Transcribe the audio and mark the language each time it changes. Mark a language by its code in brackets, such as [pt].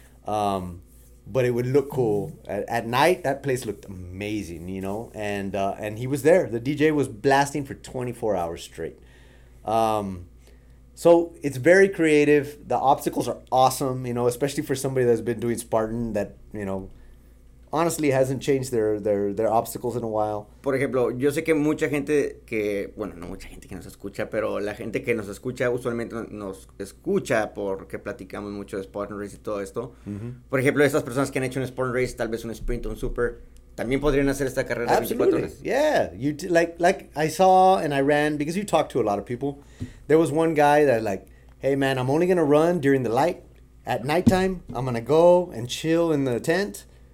[en] But it would look cool at night. That place looked amazing, you know, and he was there. The DJ was blasting for 24 hours straight. So it's very creative. The obstacles are awesome, you know, especially for somebody that's been doing Spartan that, you know, honestly, hasn't changed their obstacles in a while. [es] Por ejemplo, yo sé que mucha gente que, bueno, no mucha gente que nos escucha, pero la gente que nos escucha usualmente nos escucha porque platicamos mucho de Spartan Race y todo esto. Mm-hmm. Por ejemplo, estas personas que han hecho un Spartan Race, tal vez un sprint o un super, también podrían hacer esta carrera [en] absolutely. [es] De 24 horas. [en] Yeah, like I saw and I ran, because you talk to a lot of people. There was one guy that like, hey man, I'm only going to run during the light. At nighttime, I'm going to go and chill in the tent.